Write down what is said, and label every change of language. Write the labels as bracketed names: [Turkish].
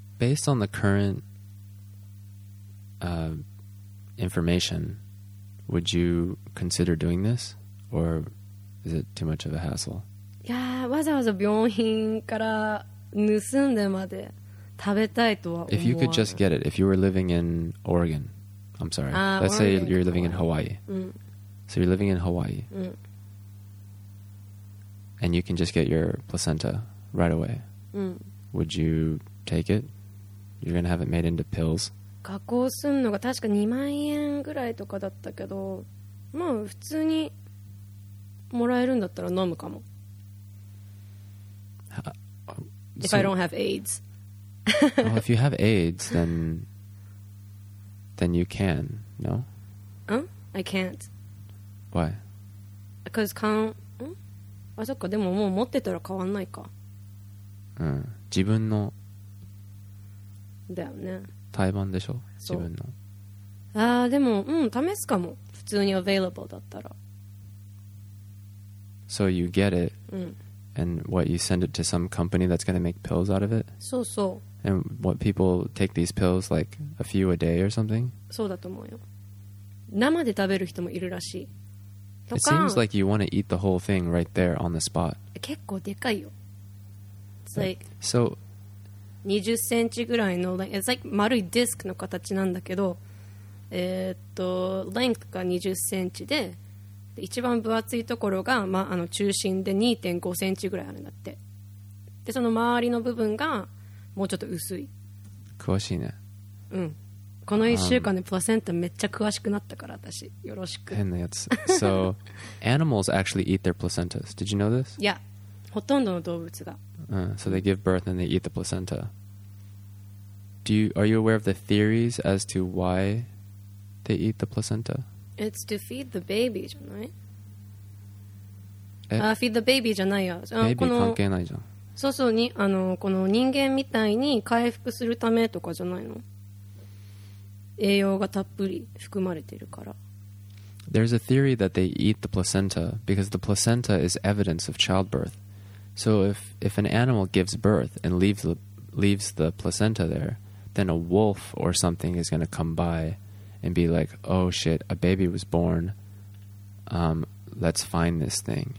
[English] Based on the current information, would you consider doing this? Or is it too much of a hassle? [Japanese] いやわざわざ病院から盗んでまで食べたいとは思わない。 [English] If you could just get it, if you were living in Oregon, I'm sorry, let's say you're living in Hawaii. So you're living in Hawaii. And you can just get your placenta right away. Would you take it? You're going to have it made into pills. [Japanese] 加工すんのが確か2万円ぐらいとかだったけど、まあ普通にもらえるんだったら飲むかも。 [English] If I don't have AIDS. Well, if you have AIDS, then you can, no? I can't. Why? Because can't... [Japanese] あ、そっか、でももう持ってたら変わんないか。うん。自分の。だよね。胎盤でしょ、自分の。ああ、でも、うん、試すかも。普通に available だったら。 [English] So you get it. [Japanese] うん。 [English] And what, you send it to some company that's going to make pills out of it? [Japanese] そうそう。 [English] And what, people take these pills like a few a day or something? [Japanese] そうだと思うよ。生で食べる人もいるらしい。 [English] とか、 It seems like you want to eat the whole thing right there on the spot. [Japanese] 結構でかいよ。 [English] It's like so, [Japanese] 20センチぐらいの、 [English] like, It's like [Japanese] 丸いディスクの形なんだけど、length が20センチで、一番分厚いところが、ま、あの中心で 2.5 センチぐらいあるんだって。でその周りの部分がもうちょっと薄い。詳しいね。うん、この1週間でプラセンタめっちゃ詳しくなったから、私よろしく。変なやつ。 [English] So animals actually eat their placentas. Did you know this? [Japanese] Yeah, ほとんどの動物が、 [English] So they give birth and they eat the placenta. Do you, are you aware of the theories as to why they eat the placenta? It's to feed the baby, [Japanese] じゃない？ [English] feed the baby [Japanese] じゃないや。ベイビー関係ないじゃん。そうそう、に、あの、この人間みたいに回復するためとかじゃないの？栄養がたっぷり含まれているから。 [English] There's a theory that they eat the placenta because the placenta is evidence of childbirth. So if an animal gives birth and leaves the placenta there, then a wolf or something is going to come byand be like, oh shit, a baby was born, let's find this thing